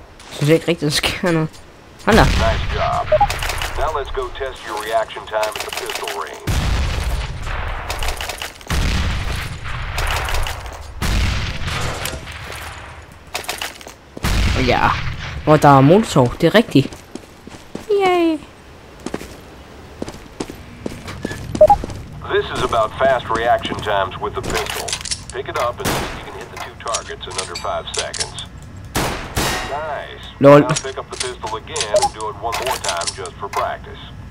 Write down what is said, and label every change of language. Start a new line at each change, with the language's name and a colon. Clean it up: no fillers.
Danish: Synes jeg ikke rigtig, der sker noget. Hold da.
English: Nice job. Now let's go test your reaction time at the pistol range.
Danish: Ja, hvor der er motorsov, det er rigtigt.
English: Yay. This is about fast reaction times with the pistol. Pick it up and you can hit the two targets in under 5 seconds. Nice. Lol. Now pick up the pistol again and do it one more time just for practice.